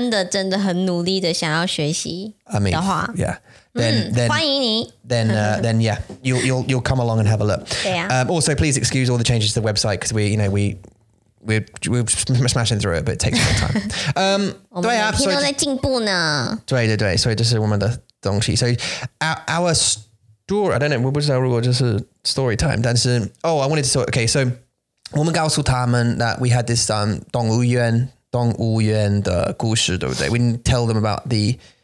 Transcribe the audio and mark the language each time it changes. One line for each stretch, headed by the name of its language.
Chinese: 真的很努力的想要学习的话
English: yeah. Then,
Chinese: 欢迎你
English: then yeah, you'll come along and have a look.
Chinese: 对啊。
English: Also, please excuse all the changes to the website because we're smashing through it, but it takes a long time.
Chinese: 我们每天都在进步呢。对对对，所以这是我们的东西。
English: So our story, I don't know,
Chinese: 不知道如果就是
English: story time,
Chinese: 但是
English: oh, I wanted to say, okay, so
Chinese: 我们告诉他们
English: that we had this
Chinese: 动物园动物园的故事，对不对？
English: We didn't tell them about the